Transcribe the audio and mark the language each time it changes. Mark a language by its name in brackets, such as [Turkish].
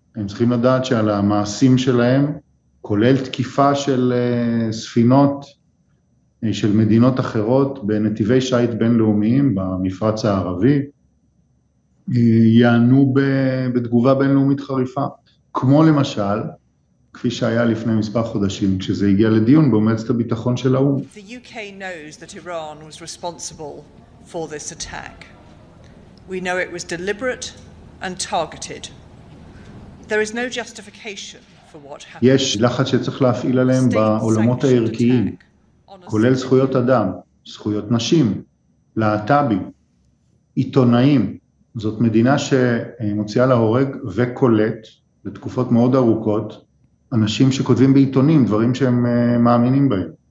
[Hebrew] הם צריכים לדעת שעל המעשים שלהם, כולל תקיפה של ספינות של מדינות אחרות בנתיבי שיט בינלאומיים במפרץ הערבי, יענו בתגובה בינלאומית חריפה. כמו למשל, כפי שהיה לפני מספר חודשים, כשזה הגיע לדיון במועצת הביטחון של האו"ם. [English] The UK knows that Iran was responsible for this attack. We know it was deliberate and targeted. There is no justification for what happened. [Hebrew] יש לחץ שצריך להפעיל עליהם בעולמות הערכיים, כולל זכויות אדם, זכויות נשים, להט"בים, עיתונאים. זאת מדינה שמוציאה להורג וקולט בתקופות מאוד ארוכות אנשים שכותבים בעיתונים, דברים שהם מאמינים בהם.